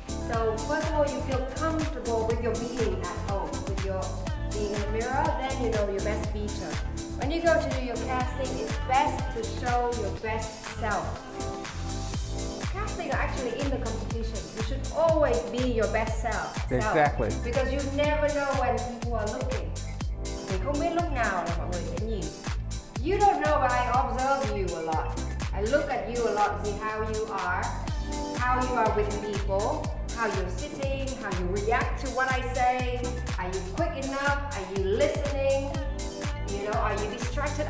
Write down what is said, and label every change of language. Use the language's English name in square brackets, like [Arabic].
[English] So first of all, you feel comfortable with your being at home, with your being in the mirror, then you know your best feature. When you go to do your casting, it's best to show your best self. Casting are actually in the competition. You should always be your best self. Exactly. Because you never know when people are looking. [Vietnamese] Thì không biết lúc nào là mọi người sẽ nhìn. [English] You don't know, but I observe you a lot. I look at you a lot, see how you are with people, how you're sitting, how you react to what I say. Are you quick enough? Are you listening? You know, are you distracted?